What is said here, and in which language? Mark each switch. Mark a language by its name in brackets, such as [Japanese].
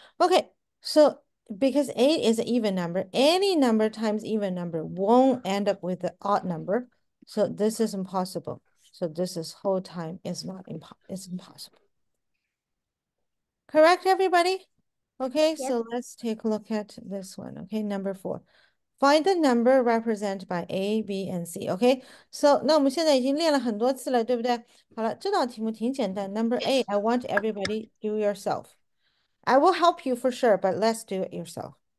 [English] Okay, so because 8 is an even number, any number times even number won't end up with the odd number. So this is impossible. So this is whole time is not impo is impossible. Correct, everybody? Okay, yep. So let's take a look at this one. Okay, number 4. Find the number represented by A, B, and C. Okay, so [Chinese] 那我们现在已经练了很多次了，对不对？好了，这道题目挺简单. [English] Number A, I want everybody do yourself. I will help you for sure, but let's do it yourself.